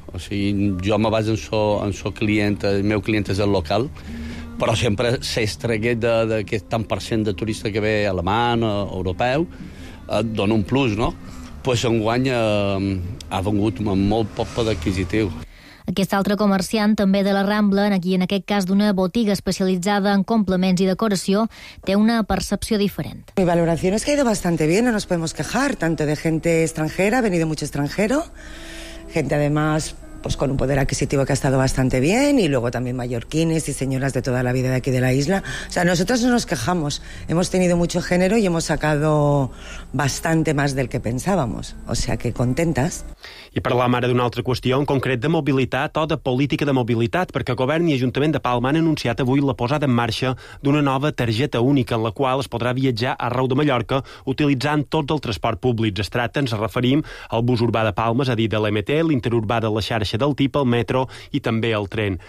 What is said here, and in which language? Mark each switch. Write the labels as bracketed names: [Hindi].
[Catalan] O sigui, jo me baso en el client, el meu client és el local, però sempre s'estreguet d'aquest tant percent de turista que ve alemany, europeu, dona un plus, no? Pues enguany ha vengut amb molt poc poder adquisitiu. Aquest altre comerciant, també de la Rambla, aquí en aquest cas d'una botiga especialitzada en complements i decoració, té una percepció diferent. [Spanish] Mi valoración es que ha ido bastante bien, no nos podemos quejar, tanto de gente extranjera, ha venido mucho extranjero, gente además... pues con un poder adquisitivo que ha estado bastante bien y luego también mallorquines y señoras de toda la vida de aquí de la isla. O sea, nosotros no nos quejamos. Hemos tenido mucho género y hemos sacado bastante más del que pensábamos. O sea, que contentas. [Catalan] I parlam ara d'una altra qüestió, en concret de mobilitat o de política de mobilitat, perquè Govern i Ajuntament de Palma han anunciat avui la posada en marxa d'una nova targeta única en la qual es podrà viatjar arreu de Mallorca utilitzant tot el transport públic. Es tracta, ens referim al bus urbà de Palma, és a dir, de l'MT, l'interurbà de la xarxa del TIP, el metro i també el tren.